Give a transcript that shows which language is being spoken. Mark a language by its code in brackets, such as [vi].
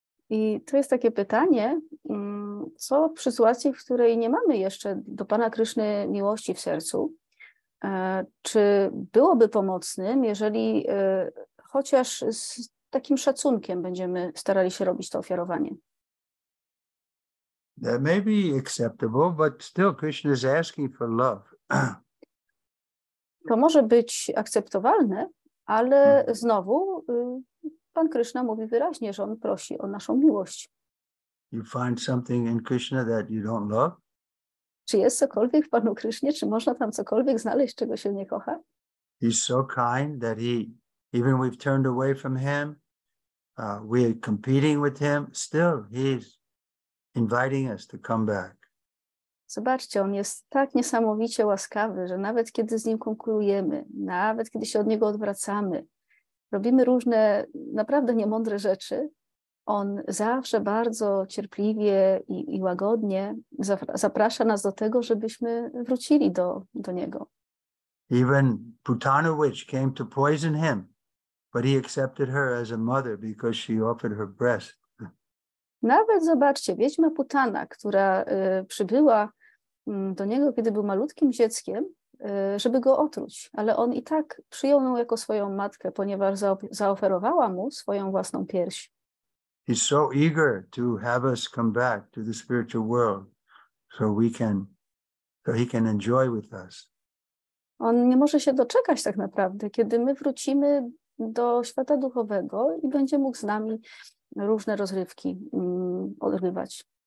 [pl] I to jest takie pytanie, co w sytuacji, w której nie mamy jeszcze do Pana Kryszny miłości w sercu, czy byłoby pomocnym, jeżeli chociaż z takim szacunkiem będziemy starali się robić to ofiarowanie. [en] That may be acceptable, but still Krishna is asking for love. [pl] To może być akceptowalne, ale znowu Pan Krishna mówi wyraźnie, że on prosi o naszą miłość. [en] You find something in Krishna that you don't love? [pl] Czy jest cokolwiek w Panu Krysznie, czy można tam cokolwiek znaleźć, czego się nie kocha? [en] He's so kind that he even we've turned away from him, we are competing with him, still he's inviting us to come back. [pl] Zobaczcie, on jest tak niesamowicie łaskawy, że nawet kiedy z nim konkurujemy, nawet kiedy się od niego odwracamy, robimy różne naprawdę niemądre rzeczy, on zawsze bardzo cierpliwie i łagodnie zaprasza nas do tego, żebyśmy wrócili do niego. [en] Even Putana witch came to poison him, but he accepted her as a mother because she offered her breast. [pl] Nawet zobaczcie, wiedźma Putana, która przybyła do niego, kiedy był malutkim dzieckiem, żeby go otruć, ale on i tak przyjął ją jako swoją matkę, ponieważ zaoferowała mu swoją własną pierś. [en] He's so eager to have us come back to the spiritual world so he can enjoy with us. [pl] On nie może się doczekać tak naprawdę, kiedy my wrócimy do świata duchowego i będzie mógł z nami różne rozrywki odrywać.